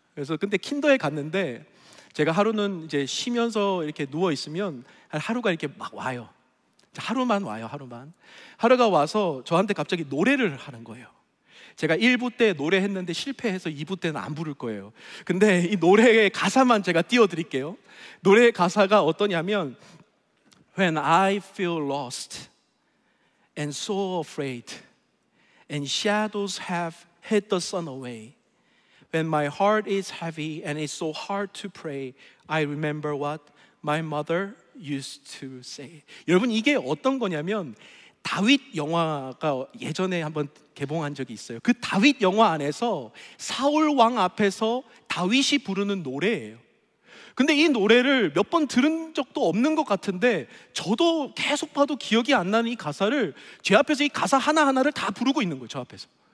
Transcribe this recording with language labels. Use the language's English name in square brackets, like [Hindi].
[Korean] 그래서 근데 킨더에 갔는데 제가 하루는 이제 쉬면서 이렇게 누워 있으면 하루가 이렇게 막 와요. 하루만 와요. 하루만. 하루가 와서 저한테 갑자기 노래를 하는 거예요. 제가 1부 때 노래했는데 실패해서 2부 때는 안 부를 거예요. 근데 이 노래의 가사만 제가 띄워드릴게요. 노래의 가사가 어떠냐면 [English] When I feel lost and so afraid and shadows have hid the sun away when my heart is heavy and it's so hard to pray I remember what my mother used to say. [Korean] 여러분, 이게 어떤 거냐면 다윗 영화가 예전에 한번 개봉한 적이 있어요. 그 다윗 영화 안에서 사울 왕 앞에서 다윗이 부르는 노래예요. 근데 이 노래를 몇 번 들은 적도 없는 것 같은데 저도 계속 봐도 기억이 안 나는 이 가사를 제 앞에서 이 가사 하나하나를 다 부르고 있는 거예요. 저 앞에서.